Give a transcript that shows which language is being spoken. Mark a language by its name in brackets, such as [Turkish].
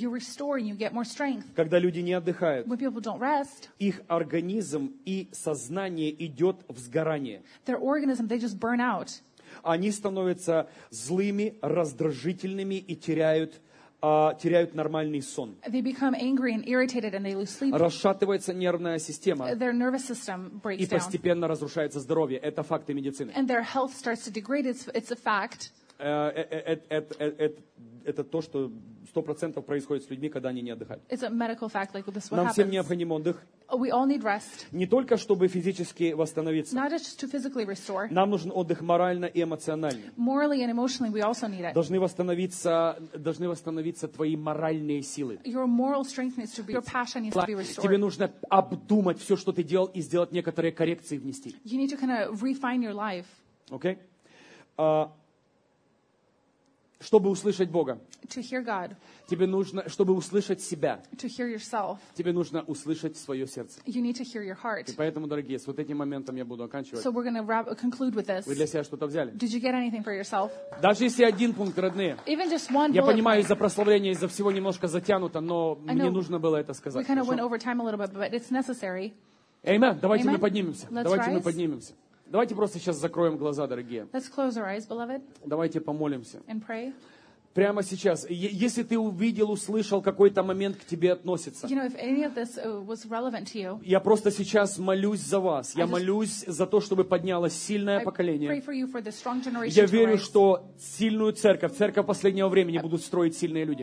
[English] You restore and you get more strength. [Russian] Когда люди не отдыхают. [English] When people don't rest. [Russian] Их организм и сознание идет в сгорание. [English] Their organism, they just burn out. [Russian] Они становятся злыми, раздражительными и теряют, теряют нормальный сон. [English] They become angry and irritated and they lose sleep. [Russian] Расшатывается нервная система. [English] Their nervous system breaks [Russian] и постепенно [English] down. [Russian] Разрушается здоровье. Это факты медицины. [English] And their health starts to degrade. It's a fact. [Russian] Это то, что 100% происходит с людьми, когда они не отдыхают. [English] It's a medical fact, like this what [Russian] нам всем необходим отдых. [English] We all need rest. [Russian] Не только, чтобы физически восстановиться. [English] Not just to physically restore. [Russian] Нам нужен отдых морально и эмоционально. [English] Morally and emotionally we also need it. [Russian] Должны восстановиться твои моральные силы. [English] Your moral strength needs to be, your passion needs to be restored. [Russian] Тебе нужно обдумать все, что ты делал, и сделать некоторые коррекции, внести. [English] You need to kind of refine your life. Okay. [Russian] Чтобы услышать Бога, [English] to hear God. [Russian] Тебе нужно, чтобы услышать себя, [English] to hear yourself. [Russian] Тебе нужно услышать свое сердце. [English] You need to hear your heart. [Russian] И поэтому, дорогие, с вот этим моментом я буду оканчивать. [English] So we're gonna conclude with this. [Russian] Вы для себя что-то взяли? [English] Did you get anything for yourself? [Russian] Даже если один пункт, родные, [English] even just one [Russian] bullet, я понимаю, [English] point. [Russian] Из-за прославления, из-за всего немножко затянуто, но [English] I [Russian] мне [English] know, [Russian] нужно было это сказать. [English] We kind of went over time a little bit, but it's necessary. Amen. [Russian] Давайте Amen. Мы поднимемся. [English] Let's [Russian] Давайте [English] rise. [Russian] Мы поднимемся. Давайте просто сейчас закроем глаза, дорогие. [English] Let's close our eyes, beloved. [Russian] Давайте помолимся. [English] And pray. [Russian] Прямо сейчас. Если ты увидел, услышал, какой-то момент к тебе относится. [English] You know, if any of this was relevant to you, [Russian] я просто сейчас молюсь за вас. Я молюсь за то, чтобы поднялось сильное поколение. [English] Pray for you for the strong generation. [Russian] Я верю, что сильную церковь, церковь последнего времени будут строить сильные люди.